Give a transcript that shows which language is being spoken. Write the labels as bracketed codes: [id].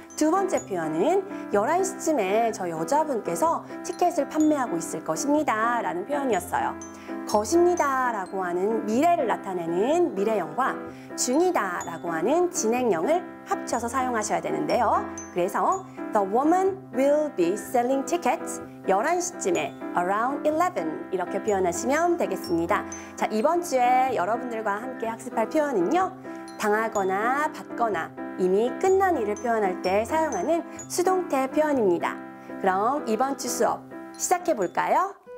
[ko] 두 번째 표현은 11시쯤에 저 여자분께서 티켓을 판매하고 있을 것입니다 라는 표현이었어요. 것입니다 라고 하는 미래를 나타내는 미래형과 중이다 라고 하는 진행형을 합쳐서 사용하셔야 되는데요. [en] 그래서 The woman will be selling tickets [ko] 11시쯤에 [en] around 11 [ko] 이렇게 표현하시면 되겠습니다. 자, 이번 주에 여러분들과 함께 학습할 표현은요. 당하거나 받거나 이미 끝난 일을 표현할 때 사용하는 수동태 표현입니다. 그럼 이번 주 수업 시작해 볼까요?